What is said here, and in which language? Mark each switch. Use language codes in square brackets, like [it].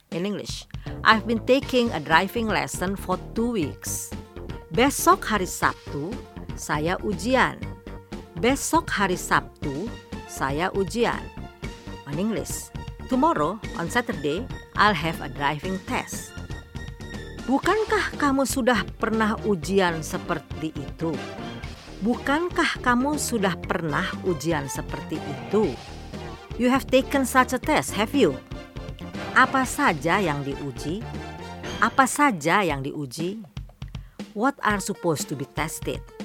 [en] In English, I've been taking a driving lesson for 2 weeks. [id] Besok hari Sabtu, saya ujian. Besok hari Sabtu, saya ujian. [en] In English, tomorrow on Saturday, I'll have a driving test. [id] Bukankah kamu sudah pernah ujian seperti itu? Bukankah kamu sudah pernah ujian seperti itu? [en] You have taken such a test, have you? [id] Apa saja yang diuji? Apa saja yang diuji? [en] What are supposed to be tested?